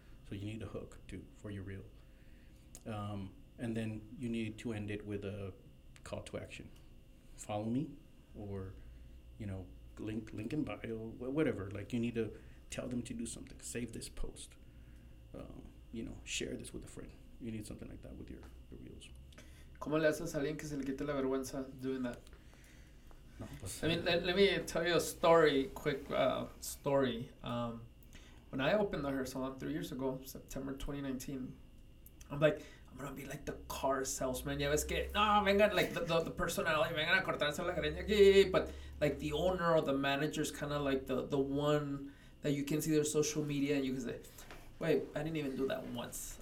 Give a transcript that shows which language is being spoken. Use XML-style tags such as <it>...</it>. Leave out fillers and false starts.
<en>So you need a hook too for your reel. And then you need to end it with a call to action. Follow me, or, you know, link in bio, whatever. Like, you need to tell them to do something. Save this post. you know, share this with a friend. You need something like that with your reels.</en> <es>¿Cómo le haces a alguien que se le quite la vergüenza</es> <en>doing that? Let me tell you a story, quick story. When I opened the hair salon 3 years ago, September 2019, I'm like, I'm gonna be like the car salesman.</en> <es>Ya ves que no vengan</es> <en>like the personality,</en> <es>vengan a cortarse la greña aquí,</es> <en>but like the owner or the manager is kind of like the one that you can see their social media and you can say, wait, I didn't even do that once.</en>